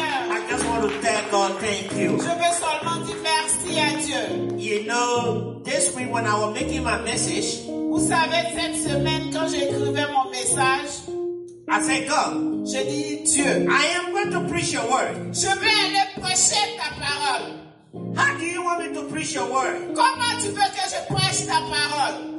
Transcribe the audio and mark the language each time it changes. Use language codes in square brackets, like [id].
[en] I just want to tell God thank you. [fr] Je veux seulement dire merci à Dieu. [en] You know, this week when I was making my message, [fr] vous savez, cette semaine, quand j'écrivais mon message, [en] I said, God, [fr] je dis, Dieu, [en] I am going to preach your word. [fr] Je vais aller prêcher ta parole. [en] How do you want me to preach your word? [fr] Comment tu veux que je prêche ta parole?